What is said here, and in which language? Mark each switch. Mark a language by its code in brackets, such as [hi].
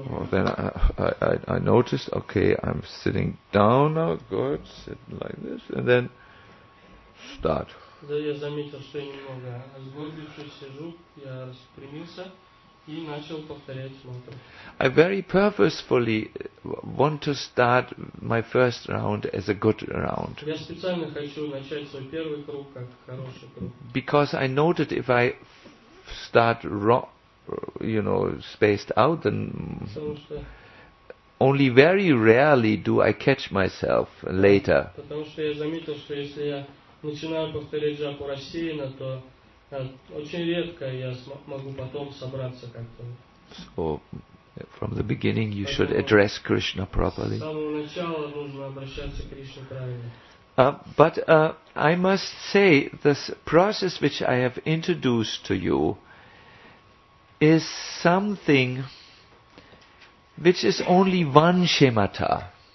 [en] Then I noticed, okay, I'm sitting down now, good, sit like this, and then start. [ru] Да, я заметил, что я немного сгорбившись сижу, я распрямился и начал повторять мантру. [en] I very purposefully want to start my first round as a good round. [ru] Я специально хочу начать свой первый круг как хороший круг. [en] Because I noted if I start wrong, you know, spaced out, then only very rarely do I catch myself later. [ru] Потому что я заметил, что если я начинаю повторять джапу рассеянно, то очень редко я могу потом собраться как-то. [en] So, from the beginning, you should address Krishna properly. [ru] С самого начала нужно обращаться к Кришне правильно. [en] I must say, this process which I have introduced to you is something which is only one shemata.